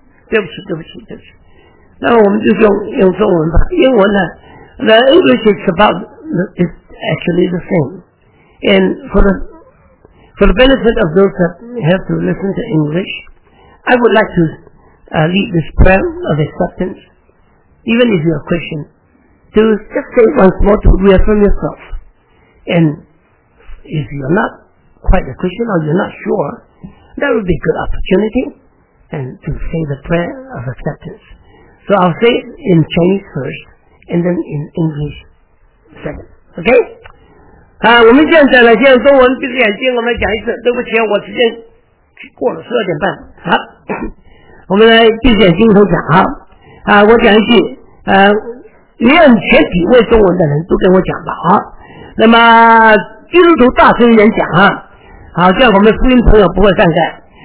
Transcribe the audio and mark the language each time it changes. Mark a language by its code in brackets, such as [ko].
[zh] 对不起对不起对不起，那我们就用中文吧。英文呢 [en] The English is about is actually the same, and for the benefit of those that have to listen to English, I would like to lead this prayer of acceptance. Even if you're a Christian, to just say once more to reaffirm yourself. And if you're not quite a Christian or you're not sure, that would be a good opportunity and to say the prayer of acceptance. So I'll say it in Chinese first and then in English second. Okay? [zh] 我们现在呢，现在中文闭着眼睛，我们来讲一次。对不起，我时间过了十二点半。好，我们来闭着眼睛头讲啊。我讲一句，愿全体为中文的人都跟我讲吧啊。那么基督徒大声一点讲啊，好，这样我们福音朋友不会散开。